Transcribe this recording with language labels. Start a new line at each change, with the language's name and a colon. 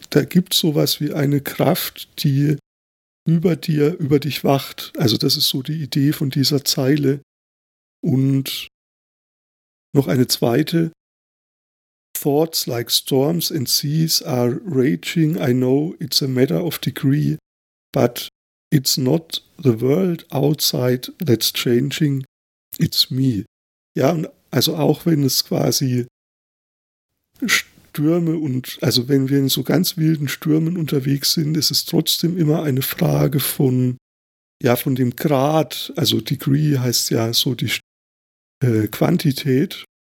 German: Da gibt es sowas wie eine Kraft, die über dir, über dich wacht. Also das ist so die Idee von dieser Zeile. Und noch eine zweite.
English: Thoughts like storms and seas are raging. I know it's a matter of degree, but it's not the world outside that's changing. It's me.
German: Ja, und also auch wenn es quasi Stürme und also wenn wir in so ganz wilden Stürmen unterwegs sind, ist es trotzdem immer eine Frage von ja, von dem Grad, also Degree heißt ja so die Quantität.